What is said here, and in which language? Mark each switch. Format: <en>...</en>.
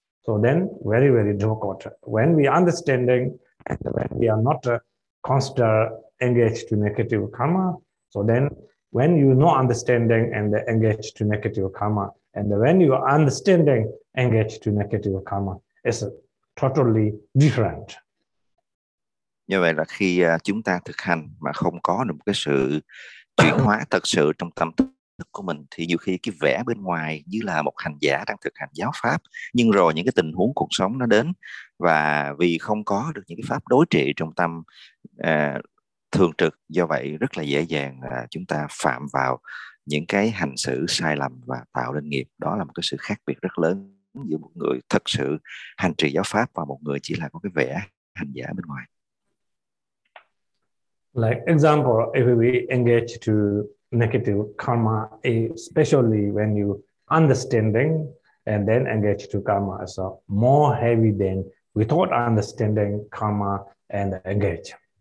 <en>So then very, very difficult. When we understanding and when we are not consider engaged to negative karma, so then when you no understanding and engaged to negative karma, and when you are understanding engaged to negative karma, it's totally different.</en> <vi>Như vậy là khi chúng ta thực hành mà không có được một cái sự chuyển hóa thật sự trong tâm thức của mình, thì nhiều khi cái vẻ bên ngoài như là một hành giả đang thực hành giáo pháp, nhưng rồi những cái tình huống cuộc sống nó đến, và vì không có được những cái pháp đối trị trong tâm thường trực, do vậy rất là dễ dàng chúng ta phạm vào những cái hành xử sai lầm và tạo nên nghiệp. Đó là một cái sự khác biệt rất lớn giữa một người thật sự hành trì giáo pháp và một người chỉ là có cái vẻ hành giả bên ngoài.</vi> <en>Like example, if we engage to negative karma, especially when you understanding and then engage to karma, so more heavy than without understanding karma and engage.</en>